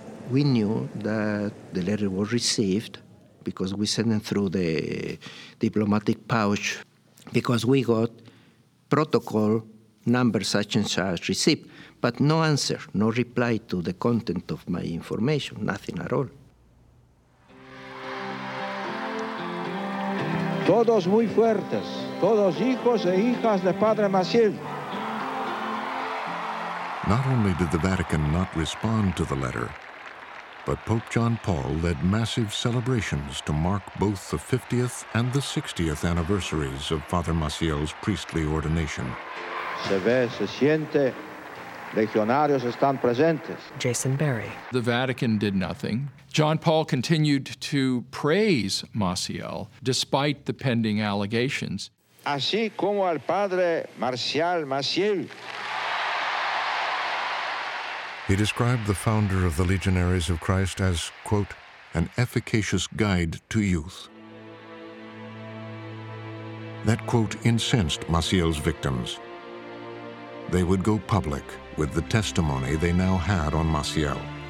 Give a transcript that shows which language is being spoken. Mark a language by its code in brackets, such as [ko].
[en] We knew that the letter was received, because we sent them through the diplomatic pouch, because we got protocol number such and such received, but no answer, no reply to the content of my information, nothing at all. [es] Todos muy fuertes, todos hijos e hijas de Padre Maciel. [en] Not only did the Vatican not respond to the letter, but Pope John Paul led massive celebrations to mark both the 50th and the 60th anniversaries of Father Maciel's priestly ordination. [es] Se ve, se siente, legionarios están presentes. [en] Jason Berry. The Vatican did nothing. John Paul continued to praise Maciel despite the pending allegations. [es] Así como al Padre Marcial Maciel. [en] He described the founder of the Legionaries of Christ as, quote, an efficacious guide to youth. That, quote, incensed Maciel's victims. They would go public with the testimony they now had on Maciel.